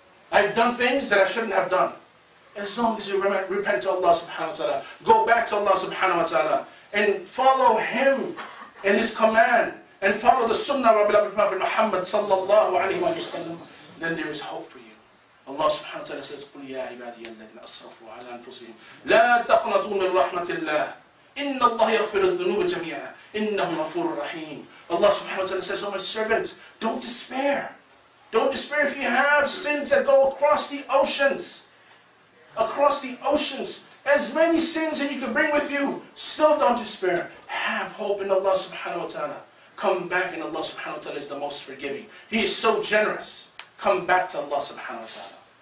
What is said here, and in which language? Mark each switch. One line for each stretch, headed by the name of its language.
English: I've done things that I shouldn't have done. As long as you repent to Allah subhanahu wa ta'ala, go back to Allah subhanahu wa ta'ala, and follow Him and His command, and follow the sunnah of our beloved Prophet Muhammad sallallahu alayhi wa sallam, then there is hope for you. Allah subhanahu wa ta'ala says,
Arabic: قُلْ يَا عِبَادِيَ الَّذِينَ أَصْرَفُوا عَلَىٰ أَنفُسِهِمْ لَا تَقْنَطُوا مِنْ رَحْمَةِ اللَّهِ إِنَّ اللَّهَ يَغْفِرُ الذُّنُوبَ جَمِيعًا إِنَّهُ غَفُورٌ رَحِيمٌ
English: Allah subhanahu wa ta'ala says, oh my servant, don't despair. Don't despair if you have sins that go across the oceans. Across the oceans. As many sins that you can bring with you, still don't despair. Have hope in Allah subhanahu wa ta'ala. Come back and Allah subhanahu wa ta'ala is the most forgiving. He is so generous. Come back to Allah subhanahu wa ta'ala.